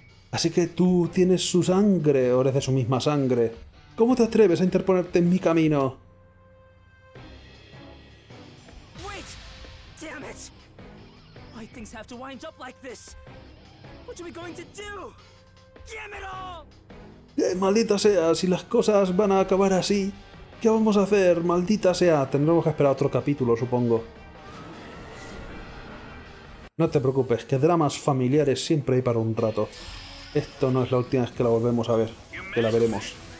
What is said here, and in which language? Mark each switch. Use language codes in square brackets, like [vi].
[es] Así que tú tienes su sangre, o eres de su misma sangre. ¿Cómo te atreves a interponerte en mi camino? [en] Wait, damn it. Why things have to wind up like this? What are we going to do? Damn it all! [es] Maldita sea, si las cosas van a acabar así, ¿qué vamos a hacer? Maldita sea, tendremos que esperar otro capítulo, supongo. No te preocupes, que dramas familiares siempre hay para un rato. Esto no es la última vez que la volvemos a ver, que la veremos.